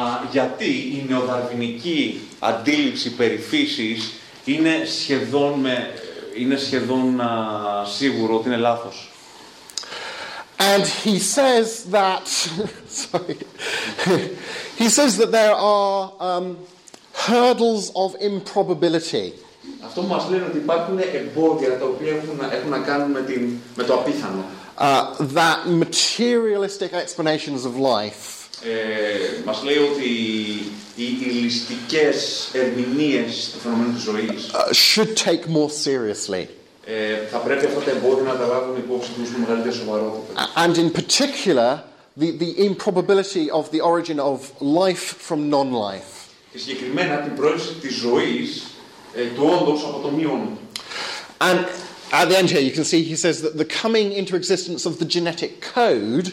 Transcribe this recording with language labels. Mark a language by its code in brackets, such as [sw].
[el] Γιατί η νεοδαρβινική αντίληψη περί φύσης είναι σχεδόν σίγουρο ότι είναι λάθος. [en] And he says that, sorry, he says that there are hurdles of improbability. [el] Αυτό μας λένε ότι υπάρχουν εμπόδια τα οποία έχουν να κάνουν με το απίθανο. [en] That materialistic explanations of life. [el] Μας λέει ότι οι ληστικές ερμηνείες του φαινομένου της ζωής [en] should take more seriously. [el] Θα πρέπει αυτά τα εμπόδια να τα λάβουν υπόψη τους με μεγαλύτερη σοβαρότητα. [en] And in particular, the improbability of the origin of life from non-life. [el] Και συγκεκριμένα την προέλευση της ζωής του όντως από το μη όντο. [en] And at the end here, you can see he says that the coming into existence of the genetic code.